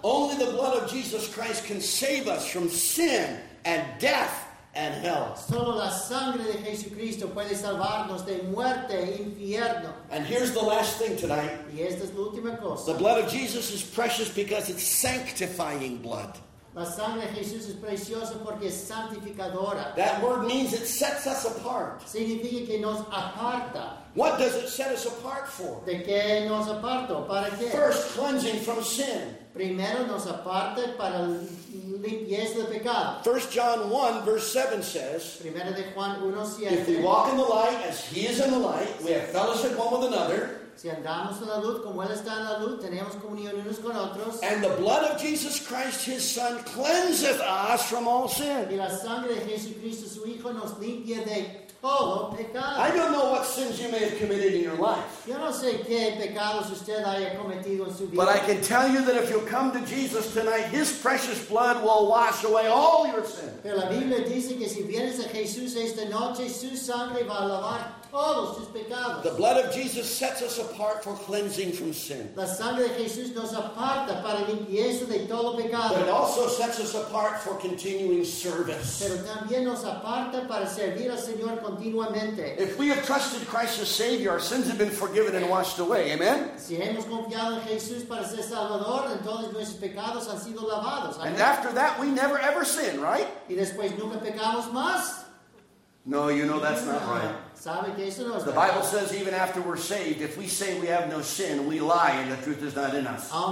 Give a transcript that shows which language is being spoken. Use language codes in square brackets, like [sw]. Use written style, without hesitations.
[en] Only the blood of Jesus Christ can save us from sin and death and hell. [es] Solo la sangre de Jesucristo puede salvarnos de muerte e infierno. [en] And here's the last thing tonight. [es] Y esta es la última cosa. [en] The blood of Jesus is precious because it's sanctifying blood. [es] La sangre de Jesús es preciosa porque es santificadora. [en] That word means it sets us apart. [es] Significa que nos aparta. [en] What does it set us apart for? [es] ¿De qué nos aparta? ¿Para qué? [en] First, cleansing from sin. [es] Primero nos aparta para limpieza del pecado. [en] 1 John 1 verse 7 says, [es] Primero de Juan 1:7, [en] if we walk in the light as he is in the light, we have fellowship one with another. [es] Si andamos en la luz como Él está en la luz, tenemos comunión unos con otros. [en] And the blood of Jesus Christ, His Son, cleanseth us from all sin. [es] Y la sangre de Jesucristo, su Hijo, nos limpia de todo pecado. [en] I don't know what sins you may have committed in your life. [es] Yo no sé qué pecados usted haya cometido en su vida. [en] But I can tell you that if you'll come to Jesus tonight, His precious blood will wash away all your sins. [es] Pero la Biblia dice que si vienes a Jesús esta noche, su sangre va a lavar todos tus pecados. [en] The blood of Jesus sets us apart for cleansing from sin. [es] La sangre de Jesús nos aparta para limpieza de todo pecado. [en] But it also sets us apart for continuing service. [es] Pero también nos aparta para servir al Señor continuamente. [en] If we have trusted Christ as Savior, our sins have been forgiven and washed away. Amen? [es] Si hemos confiado en Jesús para ser Salvador, entonces nuestros pecados han sido lavados. [en] And after that, we never ever sin, right? [es] Y después nunca pecamos más. [en] No, you know that's not right. The Bible says even after we're saved, if we say we have no sin, we lie and the truth is not in us.